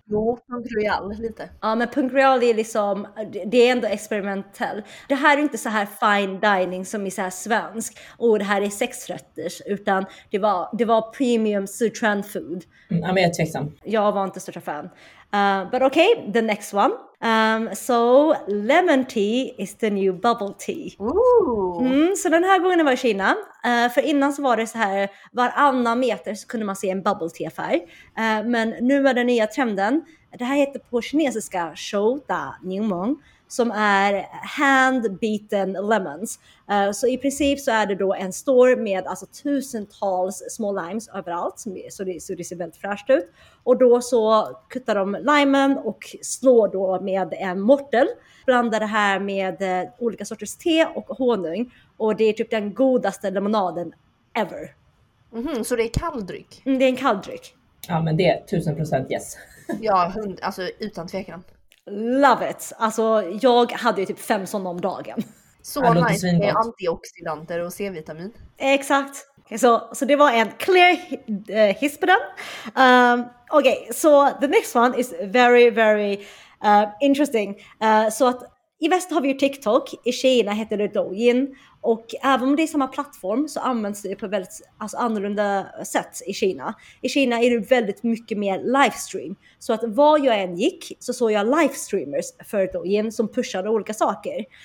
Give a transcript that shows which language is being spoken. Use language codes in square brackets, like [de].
[sv] Jo, Punk Royal lite. Ja, men Punk Royal är liksom, det är ändå experimentell. Det här är inte så här fine dining som är så här svensk. Och det här är sexrätters. Utan det var [en] premium Sichuan food. [sv] Ja, men jag är tveksam. Jag var inte största fan. [en] But okay, the next one. So lemon tea is the new bubble tea. Ooh. [sv] Så den här gången var i Kina. För innan så var det så här, varannan meter så kunde man se en bubble tea affär. Men nu är den nya trenden. Det här heter på kinesiska shou da ningmong, som är [en] hand beaten lemons. [sv] Så i princip så är det då en store med alltså tusentals små limes överallt. Så det ser väldigt fräscht ut. Och då så kuttar de limen och slår då med en mortel. Blandar det här med olika sorters te och honung. Och det är typ den godaste lemonaden ever. Mm-hmm, så det är kalldryck? Mm, det är en kalldryck. Ja, men det är 1000% yes. Ja, alltså utan tvekan. [en] Love it. [sv] Alltså jag hade ju typ 5 sådana om dagen. Så nice med antioxidanter och C-vitamin. Exakt. Så det var en clear hiss på den. Okej, så [en] the next one is very, very interesting. [sv] Så att i väst har vi ju TikTok, i Kina heter det Douyin. Och även om det är samma plattform så används det på väldigt alltså annorlunda sätt i Kina. I Kina är det väldigt mycket mer livestream. Så att var jag än gick så såg jag livestreamers för Douyin som pushade olika saker.